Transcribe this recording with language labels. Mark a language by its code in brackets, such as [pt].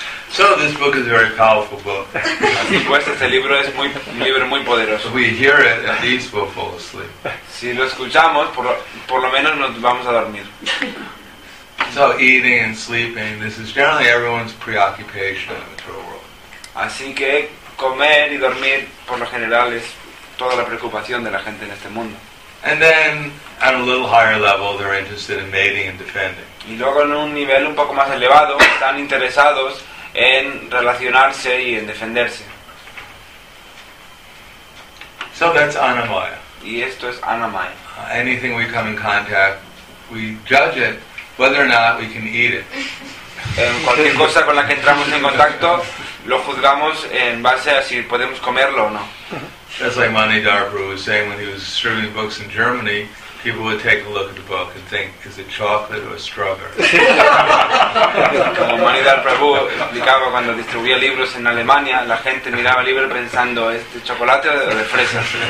[en] So this book is a very powerful book. [es] Así pues, este libro es muy, un libro muy poderoso. [en] We hear it, at least we'll fall asleep. [es] Si lo escuchamos, por lo menos nos vamos a dormir. [en] So eating and sleeping, this is generally everyone's preoccupation in the material world. [es] Así que comer y dormir, por lo general, es toda la preocupación de la gente en este mundo. [en] And then, on a little higher level, they're interested in mating and defending. [es] Y luego en un nivel un poco más elevado, están interesados en relacionarse y en defenderse. [en] So that's anamaya. [es] Y esto es anamaya. [en] Anything we come in contact, we judge it, whether or not we can eat it. [es] Cualquier cosa con la que entramos en contacto, lo juzgamos en base a si podemos comerlo o no. [en] That's like Manidharpa was saying when he was distributing books in Germany. People would take a look at the book and think, is it chocolate or strawberry? [es] Como Manidhar Prabhu explicaba cuando distribuía libros en Alemania, la gente miraba el libro pensando, ¿es de chocolate o de fresa?